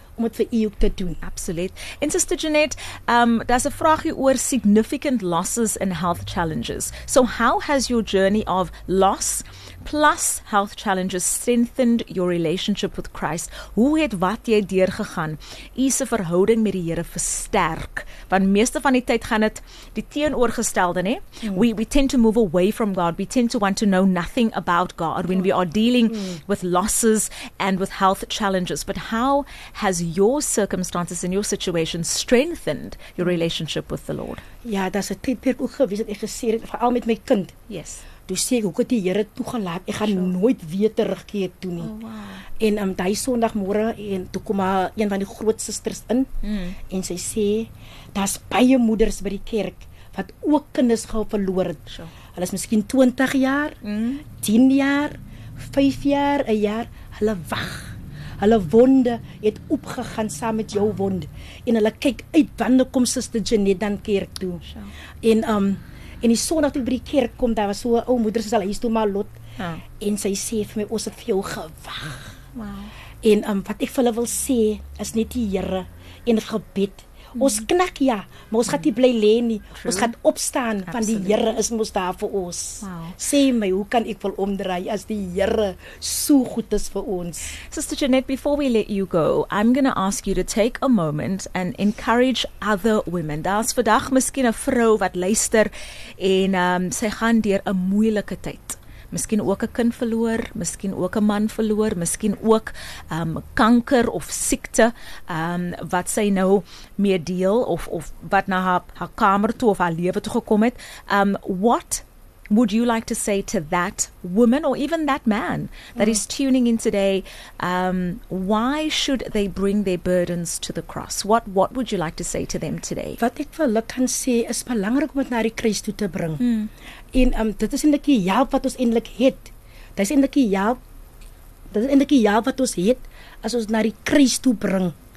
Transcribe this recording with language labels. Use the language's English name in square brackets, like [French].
[Afrikaans] Om het vir u ook te doen. Absoluut. En Sister Jeanette, daar's 'n vraagie oor [English] significant losses and health challenges. So how has your journey of loss plus health challenges strengthened your relationship with Christ? [Afrikaans] Hoe het wat jy deurgegaan, u se verhouding met die Here versterk? Want meeste van die tyd gaan dit die teenoorgestelde, nê? [English] We tend to move away from God. We tend to want to know nothing about God when we are dealing with losses and with health challenges. But how has your circumstances and your situation strengthened your relationship with the Lord? [Afrikaans] Ja, daar's 'n tydperk ook gewees dat ek gesê het, veral met my kind. [English] Yes. [Afrikaans] Toe sê ek, hoe het die Here toegelaat? Ek gaan nooit weer terugkeer toe nie. [English] Oh, wow. [Afrikaans] En daai Sondagmôre en toe kom een van die groot susters in en sy sê, daar's baie moeders by die kerk wat ook kinders gou verloor het. [English] Sure. [Afrikaans] Hulle is miskien 20 jaar, 10 jaar, 5 jaar, 'n jaar, hulle wag. Hulle wonde het opgegaan saam met jou wond. En hulle kyk uit wanneer kom Sister Jeanette dan kerk toe. [English] Sure. [Afrikaans] En die Sondag toe by die kerk kom, daar was so 'n ou moeder, sy sal huis toe maar lot. En sy sê vir my, ons het vir jou gewag. [English] Wow. [Afrikaans] En wat ek vir hulle wil sê, is net die Here en gebed. Ons knak ja, maar ons gaat nie bly lê nie. [English] True. [Afrikaans] Ons gaat opstaan. [English] Absolutely. [Afrikaans] Van die Here is mos daar vir ons. [English] Wow. [Afrikaans] Sê my, hoe kan ek wil omdraai as die Here so goed is vir ons? [English] Sister Jeanette, before we let you go, I'm going to ask you to take a moment and encourage other women. [Afrikaans] Daar's vandag miskien 'n vrou wat luister en sy gaan deur 'n moeilike tyd. Miskien ook 'n kind verloor, miskien ook 'n man verloor, miskien ook kanker of siekte wat sy nou mee deel of wat na haar kamer toe of haar lewe toe gekom het. [English] What would you like to say to that woman or even that man that is tuning in today? Why should they bring their burdens to the cross? What would you like to say to them today? [Afrikaans] Wat ek vir hulle kan sê is belangrik om dit na die Christus toe te bring. Mm. En dit is eintlik die help wat ons eintlik het. Dit is eintlik die help wat ons het as ons na die kruis toe bring.